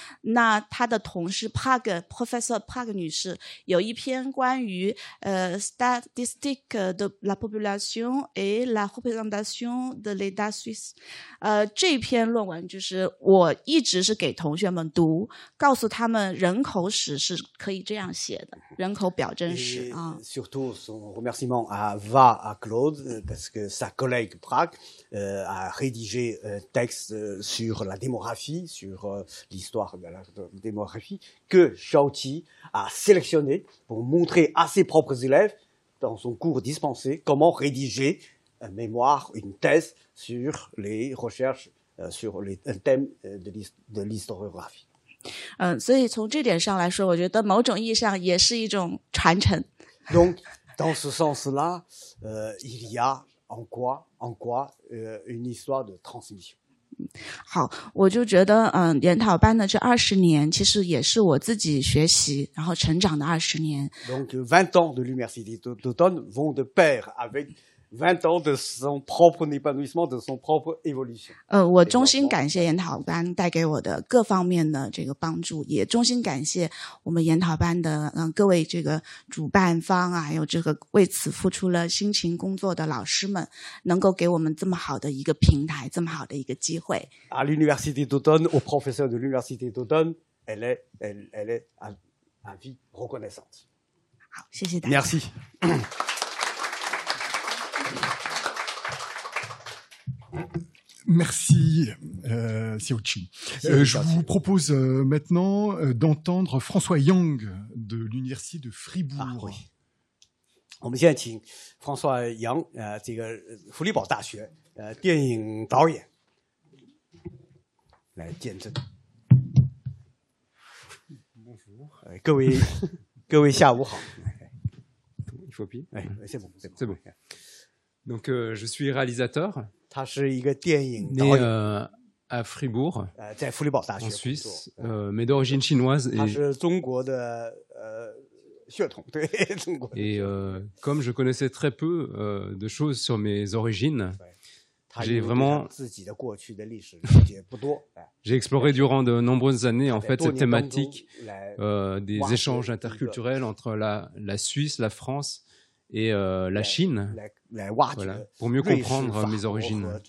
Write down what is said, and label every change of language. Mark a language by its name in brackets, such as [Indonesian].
[Chinese] 那他的同事 Park Professor Park 女士有一篇关于 [French] Statistique de la population et la représentation de l'État suisse， [Chinese] 这篇论文就是我一直是给同学们读，告诉他们人口史是可以这样写的，人口表征史啊。 [French] Surtout son remerciement à Va à Claude parce que sa collègue Prague a rédigé un texte sur la démographie, sur l'histoire de la démographie, que Xiaoqi a sélectionné pour montrer à ses propres élèves, dans son cours dispensé, comment rédiger un mémoire, une thèse sur les recherches, sur un thème de l'historiographie. [Chinese] 所以从这点上来说，我觉得某种意义上也是一种传承。 [French] Donc, dans ce sens-là, il y aa en quoi une histoire de transmission. [Chinese] 好，我就觉得研讨班的这二十年其实也是我自己学习然后成长的二十年。 [French] Donc 20 ans de l'université d'automne vont de pair avec 20 ans de son propre épanouissement, de son propre évolution. [Chinese] 我衷心感谢研讨班带给我的各方面的这个帮助，也衷心感谢我们研讨班的各位这个主办方啊，还有这个为此付出了辛勤工作的老师们，能够给我们这么好的一个平台，这么好的一个机会。 [French] À l'université d'automne, au professeur de l'université d'automne, elle est à vie reconnaissante. [Chinese] 好，谢谢大家。 [French] Merci. Merci, Xiaoqi. Je vous propose maintenant d'entendre François Yang de l'Université de Fribourg. Ah, oui. [Chinese] 我们现在请François Yang, 这个弗里堡大学电影导演来见证。各位下午好。 [French] Il faut bien. C'est bon. Donc, je suis réalisateur. [Chinese] 他是一个电影导演 [French] né, à Fribourg, [Chinese] 在弗里堡大学工作 [French] Suisse, mais d'origine chinoise. [Chinese] Et, 他是中国的血统对中国的 [French] Et comme je connaissais très peu de choses sur mes origines, j'ai vraiment... [Chinese] 自己的过去的历史了解不多 [French] J'ai exploré durant de nombreuses années en fait, cette thématique des échanges interculturels entre la Suisse, la France... et la Chine, voilà, pour mieux comprendre mes origines.